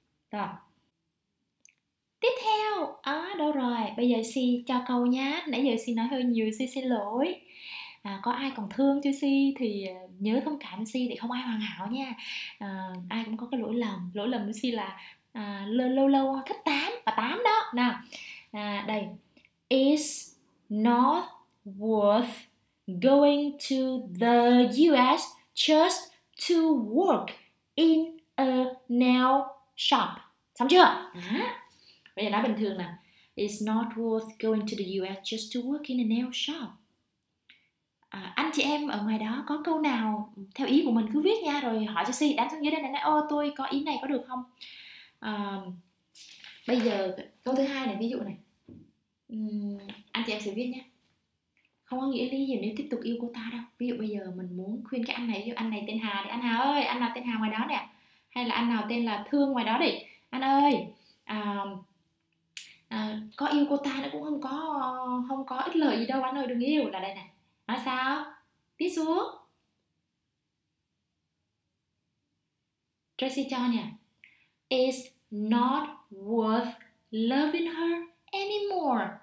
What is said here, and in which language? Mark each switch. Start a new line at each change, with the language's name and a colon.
Vietnamese: Rồi tiếp theo đâu rồi, bây giờ Chelsea cho câu nhá. Nãy giờ Chelsea nói hơi nhiều, Chelsea xin lỗi. Có ai còn thương Chelsea thì nhớ thông cảm Chelsea, thì không ai hoàn hảo nha. Ai cũng có cái lỗi lầm. Lỗi lầm của Chelsea là lâu thích tám và tám đó. Nào đây,
English: is not worth going to the US just to work in a nail shop.
Vietnamese: Xong chưa? Bây giờ nói bình thường nè.
English: It's not worth going to the US just to work in a nail shop.
Vietnamese: Anh chị em ở ngoài đó có câu nào theo ý của mình cứ viết nha, rồi hỏi cho si đáng xuống dưới đây này. Ô tôi có ý này có được không? Bây giờ câu thứ hai này, ví dụ này. Anh chị em sẽ viết nhé. không có nghĩa lý gì nếu tiếp tục yêu cô ta đâu. Ví dụ bây giờ mình muốn khuyên cái anh này, yêu anh này tên Hà đi, anh Hà ơi, anh nào tên Hà ngoài đó nè, hay là anh nào tên là Thương ngoài đó đi, anh ơi, có yêu cô ta nó cũng không có không có ích lợi gì đâu anh ơi, đừng yêu. Là đây nè, nói sao tiếp xuống.
English: Tracy
Vietnamese: cho nè,
English: it's not worth loving her anymore.